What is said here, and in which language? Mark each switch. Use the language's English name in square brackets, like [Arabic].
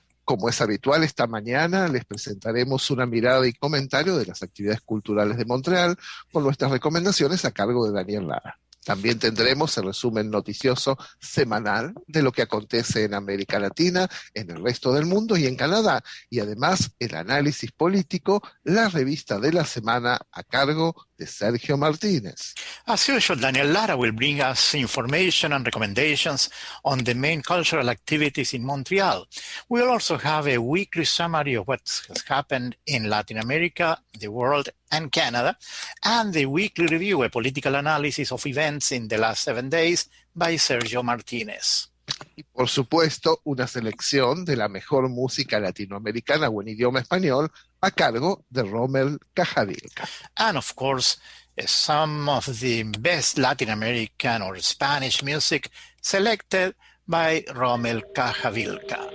[Spanish] Como es habitual, esta mañana les presentaremos una mirada y comentario de las actividades culturales de Montreal con nuestras recomendaciones a cargo de Daniel Lara. También tendremos el resumen noticioso semanal de lo que acontece en América Latina, en el resto del mundo y en Canadá. Y además, el análisis político, la revista de la semana a cargo de Sergio Martínez. [English] As usual, Daniel Lara will bring us information and recommendations on the main cultural activities in Montreal. We'll also have a weekly summary of what has happened in Latin America, the world, and Canada, and the weekly review, a political analysis of events in the last 7 days, by Sergio Martínez. [Spanish] Y por supuesto, una selección de la mejor música latinoamericana o en idioma español a cargo de Rommel Cajavilca. [English] And of course, some of the best Latin American or Spanish music selected by Rommel Cajavilca.